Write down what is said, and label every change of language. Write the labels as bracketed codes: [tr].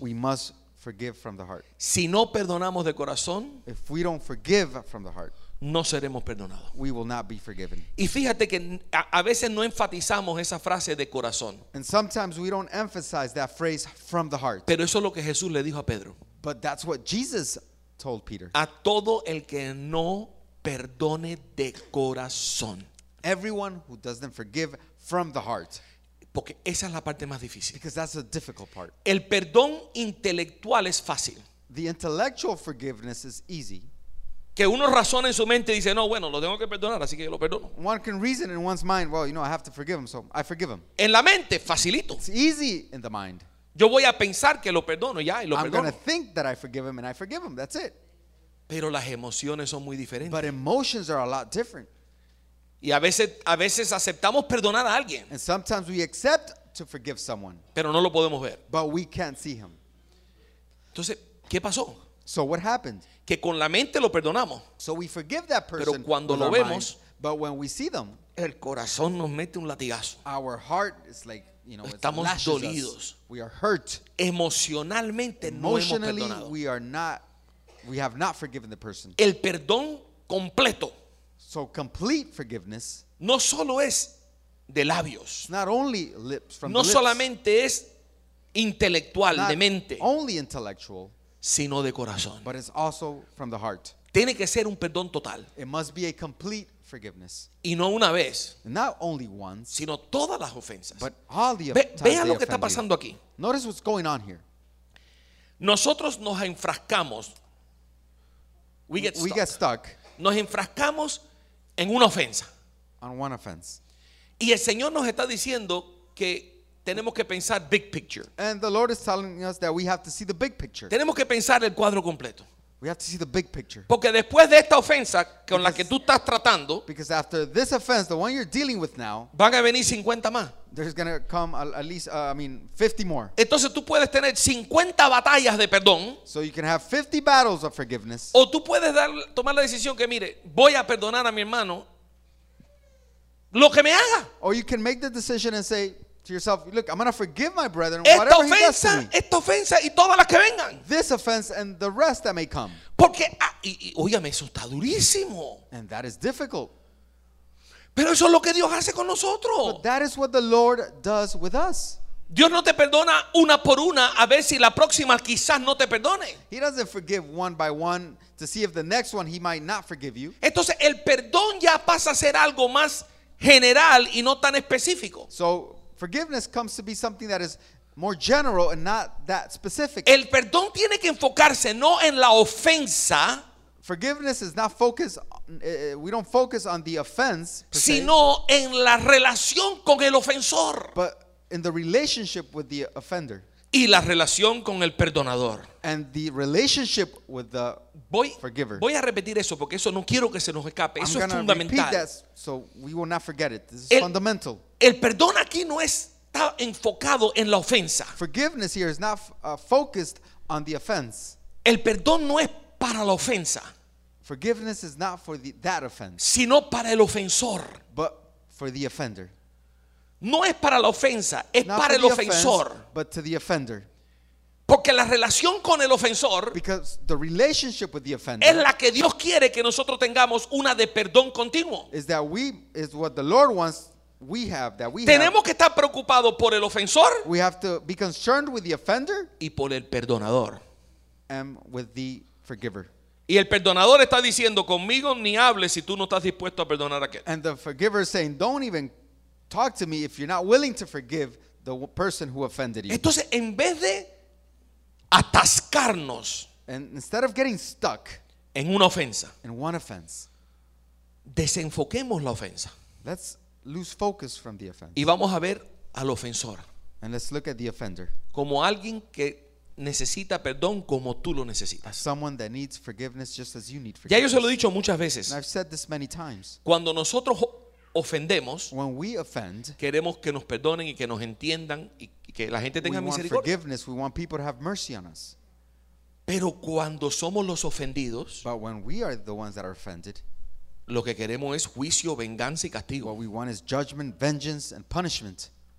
[en] We must forgive from the heart. [es] Si no perdonamos de corazón, [en] if we don't forgive from the heart, [es] no seremos perdonados. [en] We will not be forgiven. [es] Y fíjate que a veces no enfatizamos esa frase de corazón. [en] And sometimes we don't emphasize that phrase from the heart. [es] Pero eso es lo que Jesús le dijo a Pedro. [en] But that's what Jesus told Peter. [es] A todo el que no perdone de corazón. [en] Everyone who doesn't forgive from the heart. [es] Porque esa es la parte más difícil. [en] Because that's the difficult part. [es] El perdón intelectual es fácil. [en] The intellectual forgiveness is easy. [es] Que uno razona en su mente y dice, no, bueno, lo tengo que perdonar, así que yo lo perdono. [en] One can reason in one's mind, well, you know, I have to forgive him, so I forgive him. [es] En la mente, facilito. [en] It's easy in the mind. [es] Yo voy a pensar que lo perdono, ya, y lo [en] I'm [es] perdono. [en] I'm going to think that I forgive him, and I forgive him, that's it. [es] Pero las emociones son muy diferentes. [en] But emotions are a lot different. [es] Y a veces aceptamos perdonar a alguien. [en] And sometimes we accept to forgive someone. [es] Pero no lo podemos ver. [en] But we can't see him. [es] Entonces, ¿qué pasó? [en] So what happened? [es] Que con la mente lo perdonamos. [en] So we forgive that person. [es] Pero cuando lo vemos, [en] but when we see them, [es] el corazón nos mete un latigazo. [en] Our heart is like, you know, [es] estamos dolidos. [en] We are hurt. [es] Emocionalmente no hemos perdonado. [en] We have not forgiven the person. [es] El perdón completo. [en] So complete forgiveness. [es] No solo es de labios. [en] Not only lips from [es] no [en] lips. [es] Solamente es intelectual, de mente. [en] Not only intellectual. [es] Sino de corazón. [en] But it's also from the heart. [es] Tiene que ser un perdón total. [en] It must be a complete forgiveness. [es] Y no una vez. [en] And not only once. [es] Sino todas las ofensas. [en] But all the [es] vea lo que está pasando [en] you. [es] Aquí. [en] Notice what's going on here. [es] Nosotros nos enfrascamos. [en] We get stuck. [es] Nos enfrascamos en una ofensa. [en] On one offense. [es] Y el Señor nos está diciendo que tenemos que pensar [en] big picture. And the Lord is telling us that we have to see the big picture. [es] Tenemos que pensar el cuadro completo. [en] We have to see the big picture. [es] Porque después de esta ofensa con la que tú estás tratando, [en] because after this offense, the one you're dealing with now, [es] van a venir 50 más. [en] There's going to come at least 50 more. [es] Entonces tú puedes tener 50 batallas de perdón. [en] So you can have 50 battles of forgiveness. [es] O tú puedes tomar la decisión que mire, voy a perdonar a mi hermano lo que me haga. [en] Or you can make the decision and say, to yourself, look, I'm going to forgive my brethren [es] esta [en] whatever [es] ofensa, [en] he does to me. [es] Esta ofensa y todas las que vengan. [en] This offense and the rest that may come. [es] Porque, óyame, eso está durísimo. [en] And that is difficult. [es] Pero eso es lo que Dios hace con nosotros. [en] But that is what the Lord does with us. [es] Dios no te perdona una por una a ver si la próxima quizás no te perdone. [en] He doesn't forgive one by one to see if the next one he might not forgive you. [es] Entonces el perdón ya pasa a ser algo más general y no tan específico. [en] So forgiveness comes to be something that is more general and not that specific. [es] El perdón tiene que enfocarse no en la ofensa. [en] Forgiveness is not focused, we don't focus on the offense, [es] sino en la relación con el ofensor. [en] But in the relationship with the offender. [es] Y la relación con el perdonador. [en] And the relationship with the forgiver. [es] Voy a repetir eso porque eso no quiero que se nos escape. Eso es fundamental. [en] I'm going to repeat that so we will not forget it. This is fundamental. [es] El perdón aquí no está enfocado en la ofensa. [en] Forgiveness here is not focused on the offense. [es] El perdón no es para la ofensa. [en] Forgiveness is not for that offense. [es] Sino para el ofensor. [en] But for the offender. [es] No es para la ofensa, es [en] not [es] para el ofensor. [en] Offense, but to the offender. [es] Porque la relación con el ofensor, [en] because the relationship with the offender, [es] es la que Dios quiere que nosotros tengamos una de perdón continuo. [en] Is that we is what the Lord wants we have that we [es] tenemos [en] have. [es] Que estar preocupados por el ofensor. [en] We have to be concerned with the offender [es] y por el perdonador. [en] And with the forgiver. [es] Y el perdonador está diciendo conmigo ni hables si tú no estás dispuesto a perdonar a aquel. [en] And the forgiver is saying don't even talk to me if you're not willing to forgive the person who offended you. [es] Entonces, en vez de atascarnos, [en] and instead of getting stuck [es] en una ofensa, [en] in one offense, [es] desenfoquemos la ofensa. [en] Let's lose focus from the offense. [es] Y vamos a ver al ofensor. [en] And let's look at the offender. [es] Como alguien que necesita perdón como tú lo necesitas. [en] Someone that needs forgiveness just as you need forgiveness. [es] Ya yo se lo he dicho muchas veces. [en] And I've said this many times. [es] Cuando nosotros ofendemos, [en] when we offend, [es] queremos que nos perdonen y que nos entiendan y que la gente tenga misericordia. [en] We want forgiveness, we want people to have mercy on us. [es] Pero cuando somos los ofendidos, [en] but when we are the ones that are offended, [es] lo que queremos es juicio, venganza y castigo. [en] What we want is judgment, vengeance and punishment.